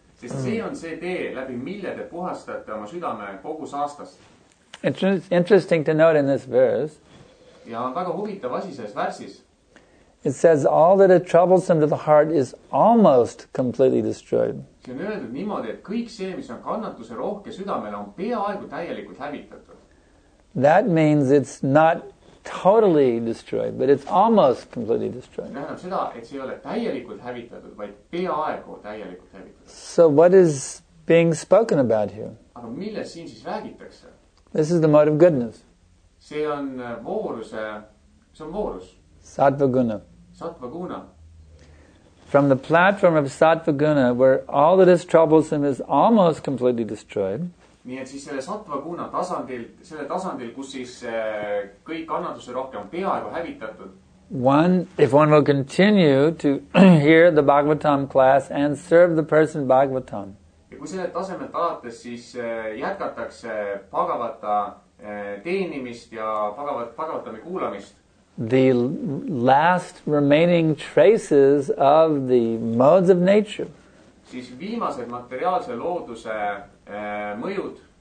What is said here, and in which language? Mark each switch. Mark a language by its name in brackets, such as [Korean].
[Estonian] Sest see on see tee, läbi mille te puhastate oma südame kogu saastast. [English] It's interesting to note in this verse. [Estonian] Ja on väga huvitav asi selles versis. [English] It says all that is troublesome to the heart is almost completely destroyed. [Estonian] see on öeldud niimoodi, et kõik see, mis on kannatuse rohke südamele, on peaaegu täielikult hävitatud. [English] That means it's not totally destroyed, but it's almost completely destroyed. [Estonian] Tähendab seda, et see ei ole täielikult hävitatud, vaid peaaegu täielikult hävitatud. [English] So what is being spoken about here? [Estonian] Aga mille siin siis räägitakse? [English] This is the mode of goodness. [Estonian] See on vooruse, see on voorus. [English] Sattvaguna. [Estonian] Sattvaguna. [English] From the platform of Sattvaguna, where all that is troublesome is almost completely destroyed. [Estonian] Nii et siis selle Sattvaguna tasandil, selle tasandil, kus siis kõik kannatuse rohke on peaaegu hävitatud. [English] One, if one will continue to hear the Bhagavatam class and serve the person Bhagavatam. [Estonian] Ja kui selle tasemelt alates, siis jätkatakse Bhagavata teenimist ja Bhagavatami kuulamist. [English] The last remaining traces of the modes of nature. [Estonian] Siis viimased materiaalse looduse mõjud